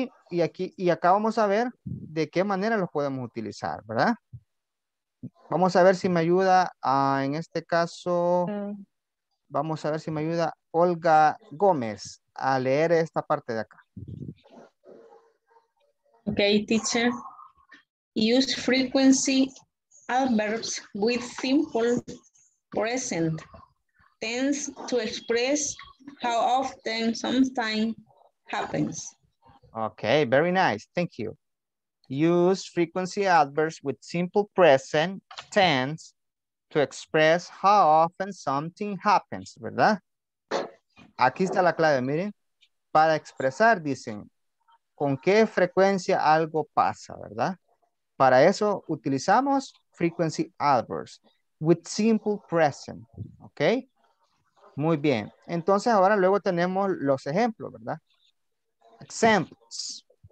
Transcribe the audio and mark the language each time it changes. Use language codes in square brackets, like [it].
[es] Y acá vamos a ver de qué manera los podemos utilizar, ¿verdad? Vamos a ver si me ayuda, en este caso, vamos a ver si me ayuda Olga Gómez a leer esta parte de acá. [en] Ok, teacher. Use frequency adverbs with simple present tense to express how often something happens. Okay, very nice. Thank you. Use frequency adverbs with simple present tense to express how often something happens, [es] ¿verdad? Aquí está la clave, miren. Para expresar, dicen, con qué frecuencia algo pasa, ¿verdad? Para eso utilizamos [en] frequency adverbs with simple present, [es] ¿ok? Muy bien. Entonces ahora luego tenemos los ejemplos, ¿verdad? Examples.